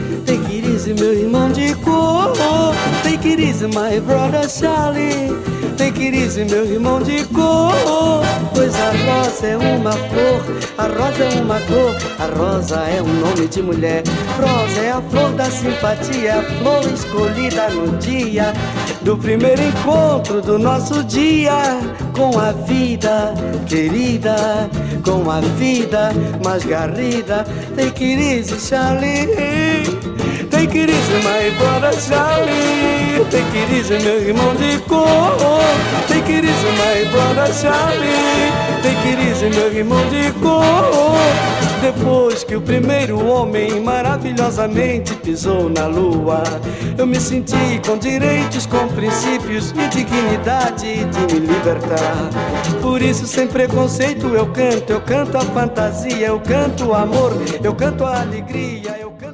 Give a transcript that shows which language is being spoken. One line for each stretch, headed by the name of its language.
English: Take it easy,
Portuguese: meu irmão de cor.
English: Take it easy, my brother Charlie. Take it easy,
Portuguese: meu irmão de cor. Pois a rosa é uma flor, a rosa é uma cor. A rosa é um nome de mulher. Rosa é a flor da simpatia, a flor escolhida no dia do primeiro encontro do nosso dia. Com a vida querida, com a vida mais garrida.
English: Take it easy, Charlie. Take it easy, my brother Charlie. Take it easy,
Portuguese: meu irmão de cor.
English: Take it easy, my brother Charlie. Take it easy,
Portuguese: meu irmão de cor. Depois que o primeiro homem maravilhosamente pisou na lua, eu me senti com direitos, com princípios e dignidade de me libertar. Por isso, sem preconceito, eu canto a fantasia, eu canto o amor, eu canto a alegria, eu canto...